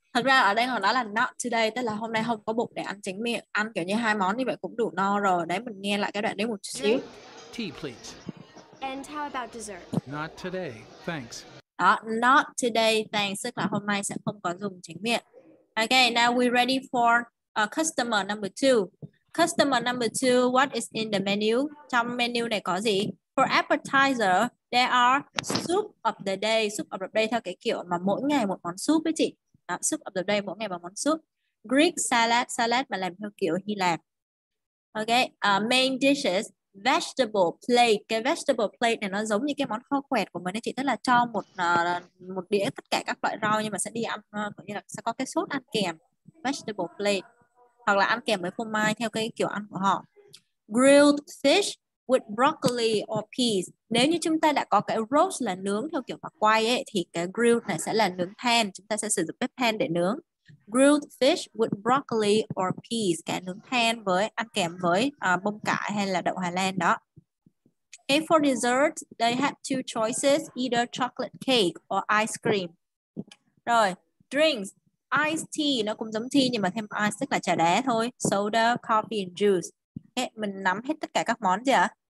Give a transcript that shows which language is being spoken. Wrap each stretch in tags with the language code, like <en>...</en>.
<vi>Thật ra ở đây họ nói là</vi> <en>not today,</en> <vi>tức là hôm nay không có bụng để ăn tránh miệng. Ăn kiểu như hai món như vậy cũng đủ no rồi. Đấy, mình nghe lại cái đoạn đấy một chút xíu.</vi> <en>Tea, please. And how about dessert? Not today, thanks. Not today, thanks.</en> <vi>Tức là hôm nay sẽ không có dùng tránh miệng.</vi> <en>Okay, now we're ready for customer number two. Customer number two, what is in the menu?</en> <vi>Trong menu này có gì?</vi> <en>For appetizer, there are soup of the day.</en> <vi>Soup of the day theo cái kiểu mà mỗi ngày một món soup ấy chị. Soup of the day, mỗi ngày một món soup. Greek salad, salad mà làm theo kiểu Hy Lạp.</vi> <en>Okay, main dishes. Vegetable plate.</en> <vi>Cái vegetable plate này nó giống như cái món kho quẹt của mình ấy chị. Tức là cho một một đĩa tất cả các loại rau nhưng mà sẽ đi ăn cũng như là sẽ có cái sốt ăn kèm.</vi> <en>Vegetable plate.</en> <vi>Hoặc là ăn kèm với phô mai theo cái kiểu ăn của họ.</vi> <en>Grilled fish with broccoli or peas.</en> <vi>Nếu như chúng ta đã có cái roast là nướng theo kiểu mà quay ấy thì cái grilled này sẽ là nướng pan. Chúng ta sẽ sử dụng bếp pan để nướng.</vi> <en>Grilled fish with broccoli or peas,</en> <vi>cái nướng pan với ăn kèm với bông cải hay là đậu Hà Lan đó.</vi> <en>And for dessert, they have two choices, either chocolate cake or ice cream.</en> <vi>Rồi, drinks, iced tea, nó cũng giống tea nhưng mà thêm ice tức là trà đá thôi,</vi> <en>soda, coffee and juice.</en> <vi>Okay, mình nắm hết tất cả các món chưa?</vi>